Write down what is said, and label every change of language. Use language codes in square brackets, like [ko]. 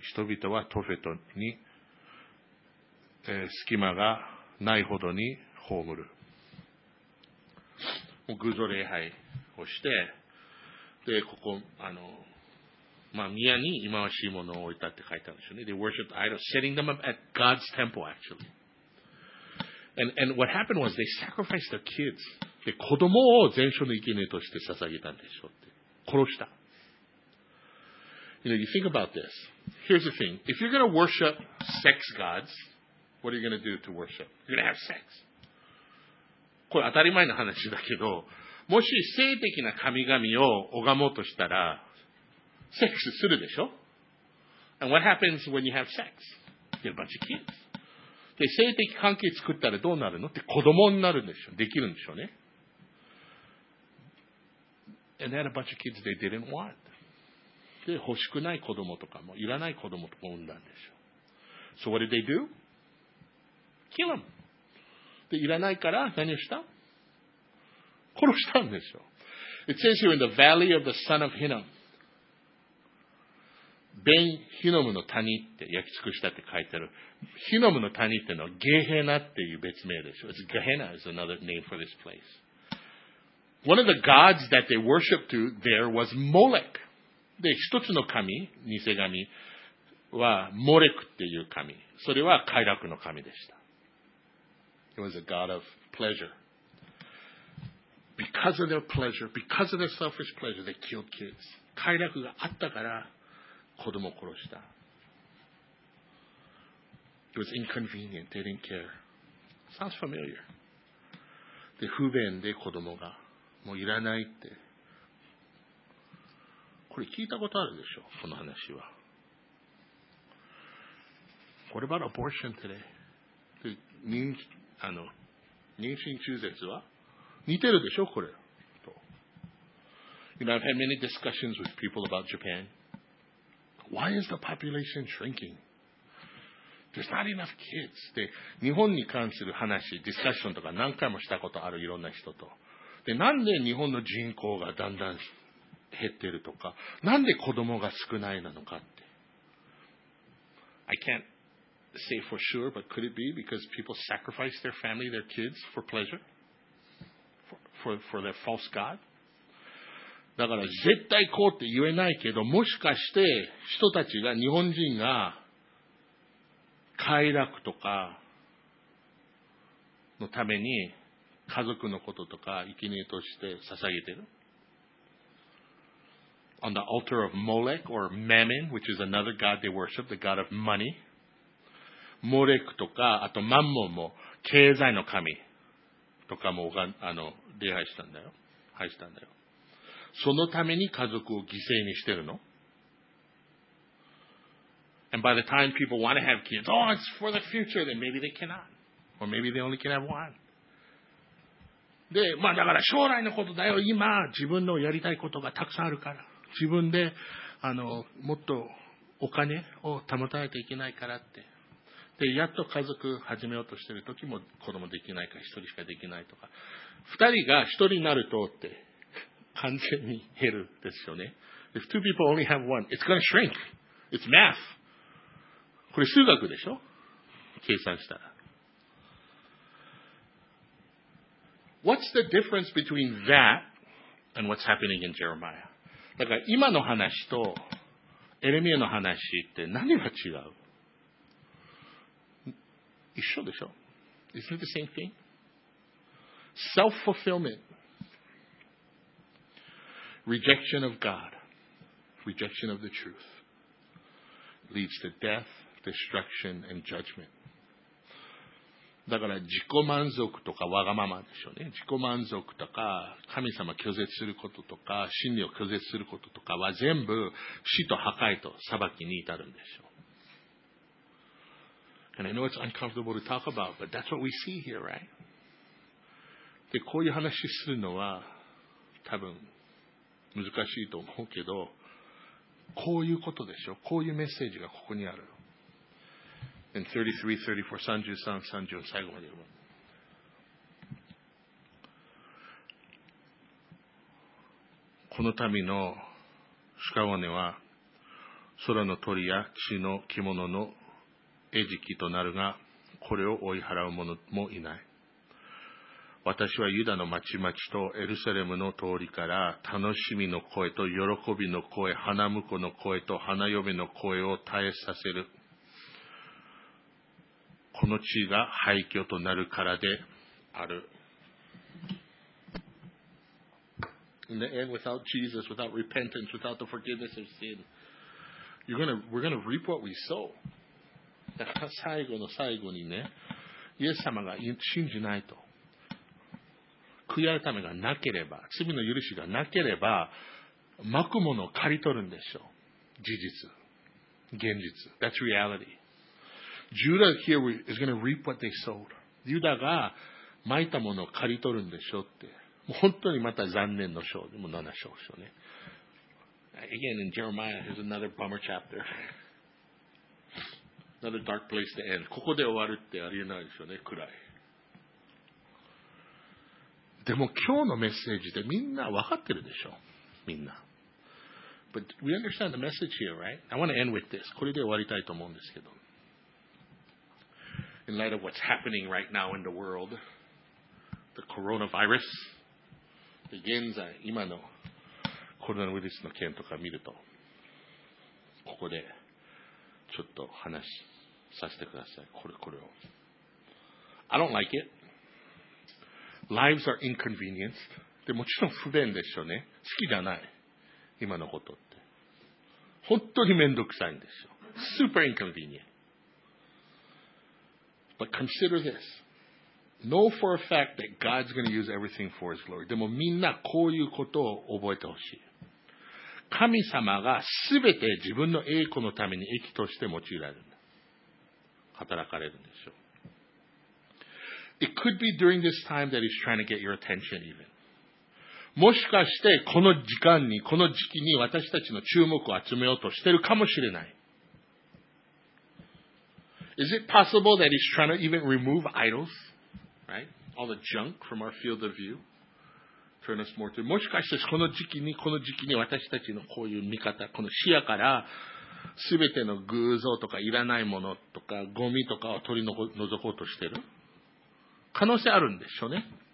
[ja] 人々はトフェトに、隙間がないほどに葬る。偶像礼拝をして、でここまあ、宮に忌まわしいものを置いたって書いてあるんですよね。 [en] They worshipped idols, setting them up at God's temple, actually. And what happened was they sacrificed their kids. [ja] で、子供を全焼の生贄として捧げたんでしょうって。殺した。 [en] You know, you think about this. Here's the thing. If you're going to worship sex gods, what are you going to do to worship? You're going to have sex. [ja] これ当たり前の話だけど、もし性的な神々を拝もうとしたら、セックスするでしょ? [en] And what happens when you have sex? You get a bunch of kids. [ja] で、性的関係作ったらどうなるの? って子供になるんでしょ? できるんでしょうね? [en] And they had a bunch of kids they didn't want. [ja] で、欲しくない子供とかも、いらない子供とかも産んだんでしょ。 [en] So what did they do? Kill them. [ja] で、いらないから何をした? 殺したんでしょ。 [en] It says here in the valley of the son of Hinnom. [ja] ベン・ヒノムの谷って焼き尽くしたって書いてある。ヒノムの谷ってのはゲヘナっていう別名でしょ。 [en] It's Gehenna is another name for this place. One of the gods that they worshipped to there was Molech. [ja] で、一つの神、偽神はモレクっていう神。それは快楽の神でした。 [en] It was a god of pleasure. Because of their pleasure, because of their selfish pleasure, they killed kids. [ja] 快楽があったから、子供を殺した。 [en] It was inconvenient. They didn't care. Sounds familiar. [ja] で、不便で子供が、もういらないって。これ聞いたことあるでしょ、この話は。 [en] What about abortion today? [ja] で、妊娠中絶は似てるでしょ、これ。 [en] You know, I've had many discussions with people about Japan. Why is the population shrinking? There's not enough kids. [ja] で、日本に関する話、ディスカッションとか何回もしたことある、いろんな人と。で、なんで日本の人口がだんだん減ってるとか、なんで子供が少ないなのかって。 [en] I can't say for sure, but could it be because people sacrifice their family, their kids for pleasure? For their false god? [ja] だから絶対こうって言えないけど、もしかして人たちが、日本人が快楽とかのために家族のこととか生贄として捧げている。 [en] On the altar of Molech or Mammon, which is another god they worship, the god of money. [ja] モレクとか、あとマンモンも経済の神とかも礼拝したんだよ。拝したんだよ。そのために家族を犠牲にしてるの？ [en] And by the time people want to have kids, oh, it's for the future, then maybe they cannot. Or maybe they only can have one. [ja] で、まあだから将来のことだよ。今、自分のやりたいことがたくさんあるから。自分で、もっとお金を保たないといけないからって。で、やっと家族始めようとしてる時も子供できないから一人しかできないとか。二人が一人になるとって。完全に減るですよね。 [en] If two people only have one, it's gonna shrink. It's math. [ja] これ数学でしょ？計算したら。 [en] What's the difference between that and what's happening in Jeremiah? [ja] だから今の話とエレミエの話って何が違う？一緒でしょ？ [en] Isn't it the same thing? Self-fulfillment. Rejection of God, rejection of the truth, leads to death, destruction, and judgment. [ja] だから自己満足とかわがままでしょうね。自己満足とか神様拒絶することとか真理を拒絶することとかは全部死と破壊と裁きに至るんでしょう。 [en] And I know it's uncomfortable to talk about, but that's what we see here, right? [ja] で、こういう話するのは多分難しいと思うけど、こういうことでしょ。こういうメッセージがここにある。 [en] In 33, 34, 33, 34, [ja] 最後まで。この民の屍は、空の鳥や地の獣の餌食となるが、これを追い払う者もいない。私はユダの町々とエルサレムの通りから楽しみの声と喜びの声、花婿の声と花嫁の声を絶えさせる。この地が廃墟となるからである。 [en] In the end, without Jesus, without repentance, without the forgiveness of sin, we're gonna reap what we sow. [ja] だから最後の最後にね、イエス様が信じないと。悔い改めがなければ、罪の許しがなければ、まくものを刈り取るんでしょう。事実。現実。 [en] That's reality. Judah here is going to reap what they sowed. [ja] ユダがまいたものを刈り取るんでしょうって。もう本当にまた残念の章でも7章でしょうね。 [en] Again, in Jeremiah, there's another bummer chapter. Another dark place to end. [ja] ここで終わるってありえないでしょうね、暗い。でも今日のメッセージでみんな分かってるでしょ。みんな。 [en] But we understand the message here, right? I want to end with this. [ja] これで終わりたいと思うんですけど。 [en] In light of what's happening right now in the world, the coronavirus, [ja] 現在、今のコロナウイルスの件とか見ると、ここでちょっと話させてください。これを。 [en] I don't like it. Lives are inconvenienced. [ja] でもちろん不便でしょうね。好きじゃない。今のことって。本当にめんどくさいんですよ。 [en] Super inconvenient. But consider this. Know for a fact that God's going to use everything for His glory. [ja] でもみんなこういうことを覚えてほしい。神様がすべて自分の栄光のために益として用いられるんだ。働かれるんでしょう。 [en] It could be during this time that he's trying to get your attention even. [ja] もしかしてこの時間に、この時期に私たちの注目を集めようとしてるかもしれない。 [en] Is it possible that he's trying to even remove idols? Right? All the junk from our field of view? Turn us more to... [ja] もしかしてこの時期に、この時期に私たちのこういう見方、この視野から全ての偶像とかいらないものとかゴミとかを取り除こうとしてる。可能性あるんでしょうね。